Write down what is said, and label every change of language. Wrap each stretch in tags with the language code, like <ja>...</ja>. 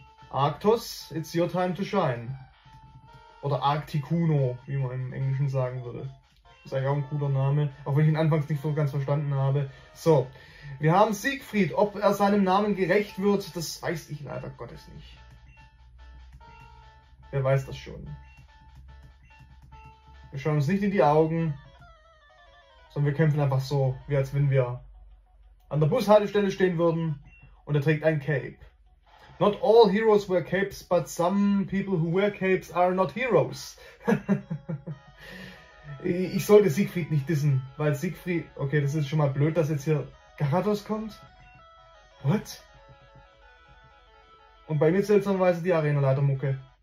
<en>Arctos, it's your time to shine.</en> <de>Oder Articuno, wie man im Englischen sagen würde. Ist eigentlich auch ein cooler Name, auch wenn ich ihn anfangs nicht so ganz verstanden habe. So, wir haben Siegfried. Ob er seinem Namen gerecht wird, das weiß ich leider Gottes nicht. Wer weiß das schon? Wir schauen uns nicht in die Augen. Und wir kämpfen einfach so, wie als wenn wir an der Bushaltestelle stehen würden und er trägt ein Cape.</de> <en>Not all heroes wear capes, but some people who wear capes are not heroes.</en> <de>Ich sollte Siegfried nicht dissen, weil Siegfried. Okay, das ist schon mal blöd, dass jetzt hier Garados kommt.</de> <en>What?</en> <de>Und bei mir seltsamerweise die Arena-Leiter-Mucke.</de>